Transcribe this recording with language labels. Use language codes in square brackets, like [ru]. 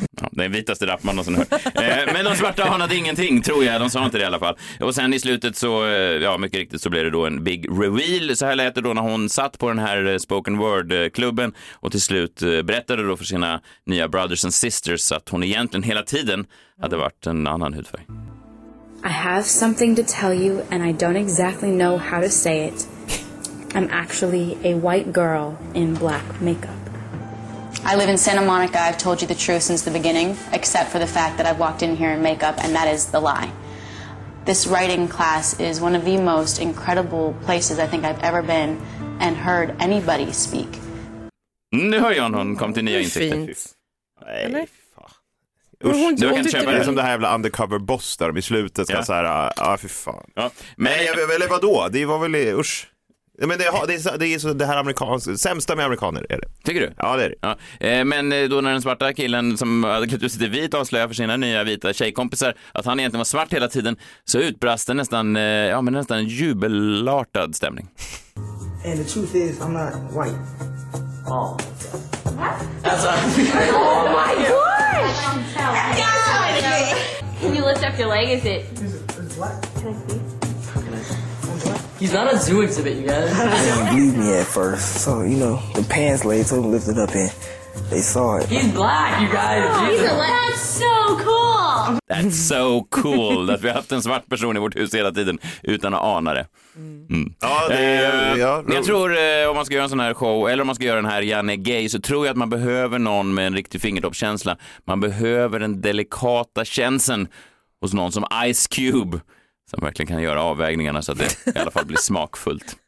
[sv] Den vitaste rapp man någonsin hört. Men de svarta hanade ingenting, tror jag. De sa inte det i alla fall. Och sen i slutet så, ja, mycket riktigt så blev det då en [en] big reveal. [sv] Så här lät det då när hon satt på den här spoken word-klubben och till slut berättade då för sina nya [en] brothers and sisters [sv] att hon egentligen hela tiden hade varit en annan hudfärg. [en] I have something to tell you and I don't exactly know how to say it. I'm actually a white girl in black makeup. I live in Santa Monica. I've told you the truth since the beginning, except for the fact that I've walked in here in makeup, and that is the lie. This writing class is one of the most incredible places I think I've ever been and heard anybody speak. [sv] Nu har John hon kommit till nya insikter. Fint. Nej. Eller? Du kan köpa det som det här jävla undercover boss där i slutet ska så här fy fan. Ja. Men jag vill vad då? Det var väl usch. Men det är så det här amerikanska sämsta med amerikaner är det. Tycker du? Ja, det är det. Ja. Men då när den svarta killen som hade klätt ut sig till vit avslöjade för sina nya vita tjejkompisar att han egentligen var svart hela tiden, så utbrast det nästan jubelartad stämning. [en] And the truth is I'm not white. Oh. What? That's right. Oh my god. What? What? I'm telling Can you lift up your leg? Is it? Is what? Can I see? How can I? What? He's not a zoo exhibit, you guys. They didn't believe me at first, so you know the pants lay so lifted up in. They saw it. He's black, you guys. Oh, that's so cool. That's so cool [sv] att vi har haft en svart person i vårt hus hela tiden utan att ana det. Mm. Ja, det är, jag tror om man ska göra en sån här show eller om man ska göra den här Janne Gay, så tror jag att man behöver någon med en riktig fingertoppkänsla. Man behöver den delikata känslan hos någon som Ice Cube, som verkligen kan göra avvägningarna så att det i alla fall blir smakfullt.